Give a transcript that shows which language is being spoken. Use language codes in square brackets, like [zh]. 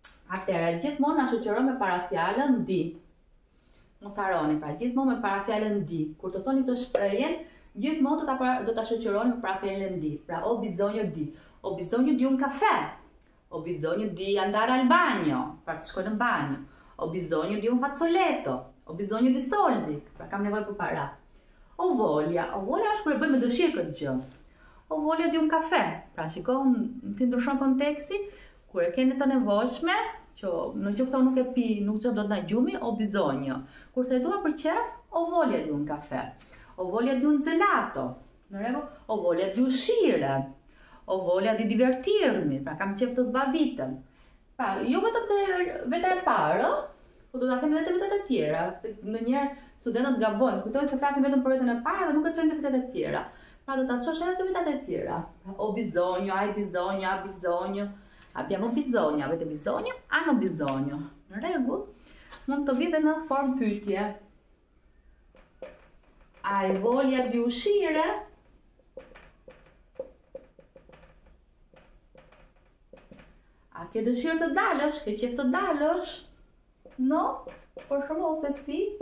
[sq] Atere, gjithmonë na shoqëron me parafjalën di. Mos harroni, pra gjithmonë me parafjalën di. Kur të thoni të shprehjen, gjithmonë do ta shoqëroni me parafjalën di. [it] Pra, ho bisogno di. Ho bisogno di un caffè. Ho bisogno di andare al bagno. [sq] Pra, shkoj në bagno. [it] Ho bisogno di un fazzoletto. Ho bisogno di soldi. [sq] Pra, kam nevojë për para. [it] Ho voglia. Ho voglia [sq] është kur e bëjmë dëshirë këtë gjë. [it] Ho voglia di un caffè. [sq] Pra, shikon si ndryshon konteksti. Kur e keni të nevojshme, që në qoftë unë nuk e pi, nuk qoftë do të na gjumi, [it] ho bisogno. [sq] Kur të dua për qef, [it] ho voglia di un caffè. Ho voglia di un gelato. [sq] Në rregull, [it] ho voglia di uscire. Ho voglia di divertirmi, [sq] pra kam qef të zbavitem. Pra, jo vetëm vetë e parë, po do ta them edhe vetët e tjera. Ndonjëherë studentët gabojnë, kujtojnë se flasin vetëm për vetën e parë dhe nuk e çojnë vetët e tjera. Pra do ta çosh edhe vetët e tjera. [it] Pra, ho bisogno, hai bisogno, ha bisogno. Abbiamo bisogno, avete bisogno, hanno bisogno. [sq] Në rregull, mund të vijë në formë pyetje. [it] Hai voglia di uscire? [sq] A che dëshirë të dalësh? Che qef të dalësh? No, por shumë ose si?